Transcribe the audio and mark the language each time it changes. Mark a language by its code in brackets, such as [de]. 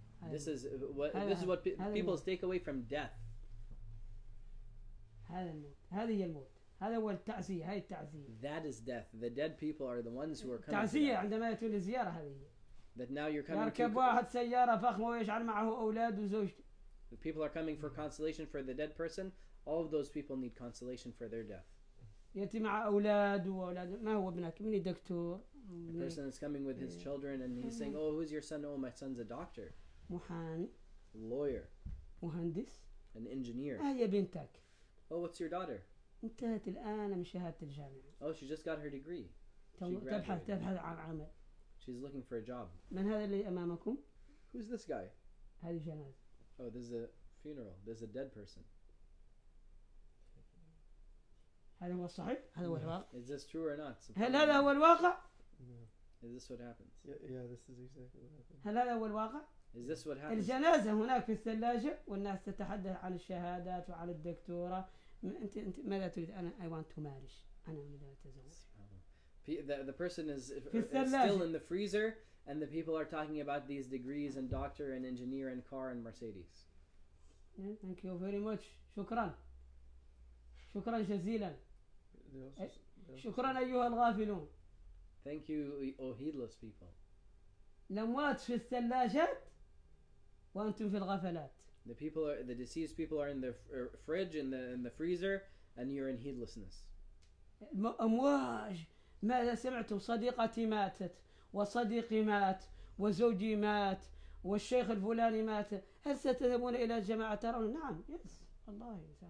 [en] This is what people take away from death. That is death. The dead people are the ones who are coming. [ar] تعزية عندما يأتون للزيارة هذه. [en] That now you're coming. [ar] يركب واحد سيارة فخمة ويجعل معه أولاد وزوجته. [en] The people are coming for consolation for the dead person. All of those people need consolation for their death. [ar] يأتي مع أولاد وأولاد ما هو ابنك مني دكتور. [en] The person is coming with his children and he's saying, "Oh, who's your son? Oh, my son's a doctor." [ar] محامي [en] lawyer [ar] مهندس [en] an engineer [ar] هي بنتك [en] oh what's your daughter [ar] انتهت الآن من شهادة الجامعة [en] oh she just got her degree [ar] تبحث عن عمل [en] she's looking for a job [ar] من هذا اللي أمامكم [en] who's this guy [ar] هذه جنازة [en] oh this is a funeral this is a dead person [ar] هذا هو صحيح هذا هو الواقع [en] is this true or not [ar] هل هذا هو الواقع [en] is this what happens yeah this is exactly what happens [ar] هل هذا هو الواقع [en] Is this what happens? [ar] الجنازة هناك في الثلاجة والناس تتحدث عن الشهادات وعلى الدكتورة. أنت ماذا تريد؟ أنا [en] I want to marry. [ar] أنا أريد أن أتزوج. [en] The person is still in the freezer and the people are talking about these degrees and doctor and engineer and car and Mercedes. Yeah, thank you very much. [ar] شكراً. شكراً جزيلاً. شكراً أيها الغافلون. [en] Thank you, oh heedless people. [ar] الأموات في الثلاجات. وأنتم في الغفلات. [en] The people are the deceased people are in the fridge in the freezer and you're in heedlessness. [ar] أمواج ماذا سمعتم صديقتي ماتت وصديقي مات وزوجي مات والشيخ الفلاني مات هل ستذهبون إلى الجماعة ترون نعم yes والله